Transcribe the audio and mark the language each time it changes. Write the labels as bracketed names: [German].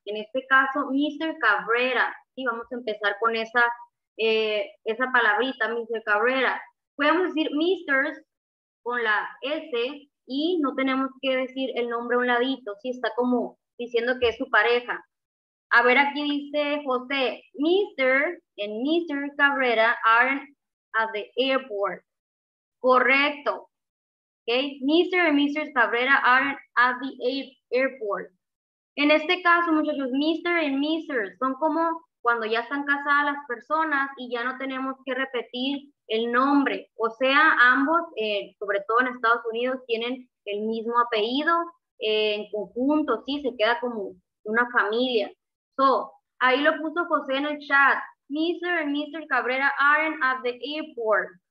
[Spanish] En este caso, Mister Cabrera. Y vamos a empezar con esa, esa palabrita, Mister Cabrera. Podemos decir Misters con la S y no tenemos que decir el nombre a un ladito, si está como diciendo que es su pareja. A ver, aquí dice José, Mr. and Mr. [English] Cabrera are at the airport. Correcto. Okay. Mr. and Mr. Cabrera are at the airport. [Spanish] En este caso, muchachos, Mr. and Mr. son como cuando ya están casadas las personas y ya no tenemos que repetir el nombre. O sea, ambos, sobre todo en Estados Unidos, tienen el mismo apellido en conjunto, sí, se queda como una familia. So, ahí lo puso José en el chat. [English] Mr. and Mr. Cabrera aren't at the airport.